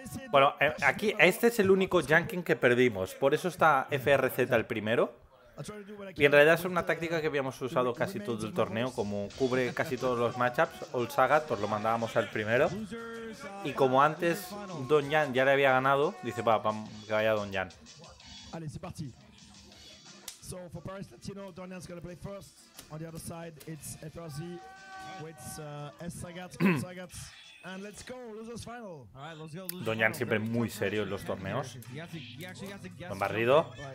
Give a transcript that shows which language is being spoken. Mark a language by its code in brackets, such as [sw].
[es] Bueno, aquí este es el único Janken que perdimos. Por eso está FRZ el primero. Y en realidad es una táctica que habíamos usado casi todo el torneo. Como cubre casi todos los matchups, Old Sagat, pues lo mandábamos al primero. Y como antes Don Jan ya le había ganado, dice, va, vamos, que vaya Don Jan. [fr] Allez, c'est parti. [en] So for Paris Latino, Donian's gonna play first. On the other side, it's FRZ with S Sagat. And let's go, losers final. All right, let's go, losers [es] final. Don Jan siempre muy serio en los torneos. Buen barrido.